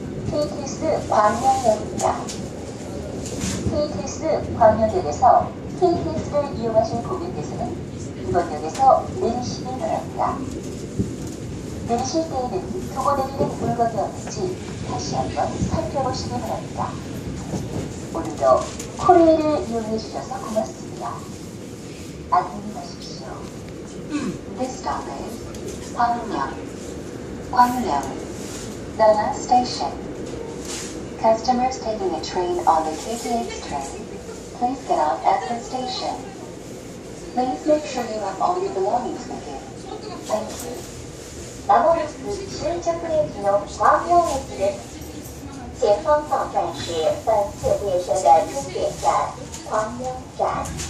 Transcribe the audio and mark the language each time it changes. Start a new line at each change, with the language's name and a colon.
Korean: KTX 광명역입니다. KTX 광명역에서 KTX를 이용하실 고객께서는 이번 역에서 내리시길 바랍니다. 내리실 때에는 두고 내리는 물건이 없는지 다시 한번 살펴보시기 바랍니다. 오늘도 코레일을 이용해 주셔서 고맙습니다. 안녕히 가십시오.
English: This stop is 광명. 광명. The last station. Customers taking a train on the KTX train, please get off at the station. Please make sure you have all your belongings with you. Thank you.
Korean: 나머지 실적분의 기념 광명역에
Chinese: 前方方向是本次列车的终点站，광명站。